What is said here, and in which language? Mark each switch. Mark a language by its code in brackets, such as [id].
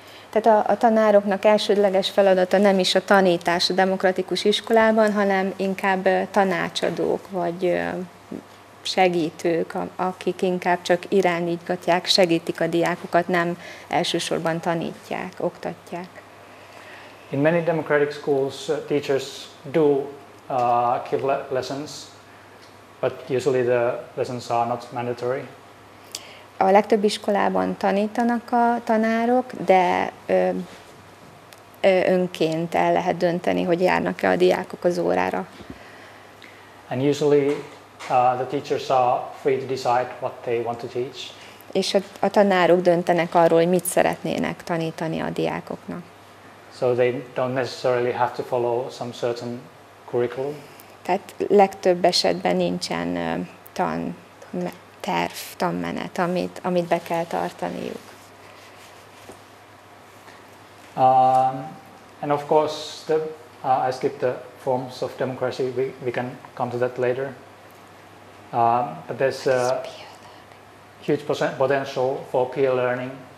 [hu] Tehát a tanároknak elsődleges feladata nem is a tanítás a demokratikus iskolában, hanem inkább tanácsadók vagy segítők, akik inkább csak irányítgatják, segítik a diákokat, nem elsősorban tanítják, oktatják. [en] In many democratic schools, teachers do give lessons, but usually the lessons are not mandatory. [hu] A legtöbb iskolában tanítanak a tanárok, de önként el lehet dönteni, hogy járnak-e a diákok az órára. [en] And usually the teachers are free to decide what they want to teach. [hu] És a tanárok döntenek arról, hogy mit szeretnének tanítani a diákoknak. [en] So they don't necessarily have to follow some certain curriculum. [hu] Tehát legtöbb esetben nincsen tanterv, tanmenet, amit be kell tartaniuk. [en] And of course, I skipped the forms of democracy. We can come to that later. But there's a huge potential for peer learning.